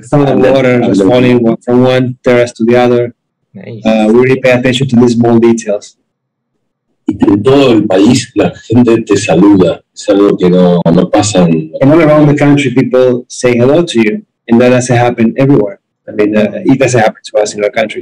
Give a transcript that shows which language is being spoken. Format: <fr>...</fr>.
<en>The water is falling from one terrace to the other. Nice. We really pay attention to these small details.</en> <es>Y en todo el país la gente te saluda. Es algo que no pasa.</es> <en>And all around the country people say hello to you. And that doesn't happen everywhere. I mean, it doesn't happen to us in our country.</en>